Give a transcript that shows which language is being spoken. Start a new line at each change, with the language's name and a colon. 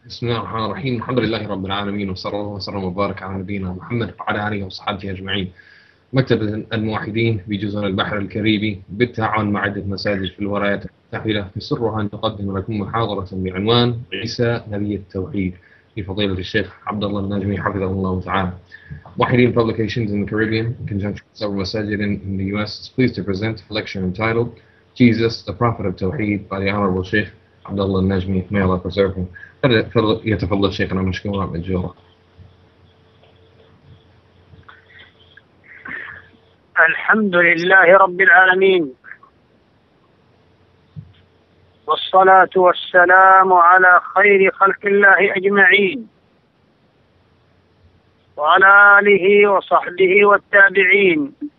Arabic: بسم الله الرحمن الرحيم، الحمد لله رب العالمين، وصلى الله وسلم وبارك على نبينا محمد وعلى اله وصحبه اجمعين. مكتب الموحدين بجزر البحر الكاريبي بالتعاون مع عده مساجد في الولايات المتحده يسرها ان تقدم لكم محاضره بعنوان عيسى نبي التوحيد لفضيله الشيخ عبد الله الناجمي حفظه الله تعالى.
English: موحدين Publications in the Caribbean in conjunction with several
Arabic: مساجد
English: in the US is pleased to present a lecture entitled Jesus, the Prophet of Tawheed by the Honorable Sheikh عبد الله النجمي، may Allah preserve him.
Arabic: يتفضل شيخنا مشكورا مجورا. الحمد لله رب العالمين، والصلاة والسلام على خير خلق الله أجمعين وعلى آله وصحبه والتابعين